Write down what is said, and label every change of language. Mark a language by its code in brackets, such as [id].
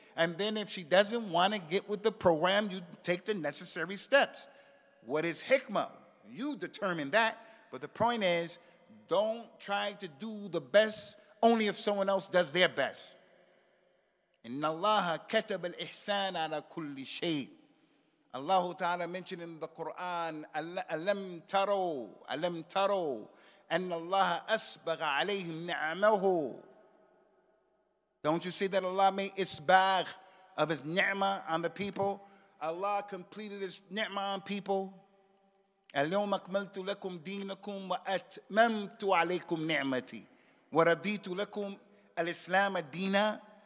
[en] And then if she doesn't want to get with the program, you take the necessary steps. What is hikmah? You determine that. But the point is, don't try to do the best only if someone else does their best. [ar] إِنَّ اللَّهَ كَتَبَ الْإِحْسَانَ عَلَى كُلِّ شَيْءٍ. [en] Allah Ta'ala mentioned in the Quran, [ar] أَلَمْ تَرَوْا أَنَّ اللَّهَ أَسْبَغَ عَلَيْهِمْ نِعْمَهُ. [en] Don't you see that Allah made isbagh of his ni'mah on the people? Allah completed his ni'mah on people. [ar] أَلْيَوْمَ أَكْمَلْتُ لَكُمْ دِينَكُمْ وَأَتْمَمْتُ عَلَيْكُمْ نِعْمَتِي وَرَضِيتُ لَكُمْ الْإِسْلَامَ دِينًا.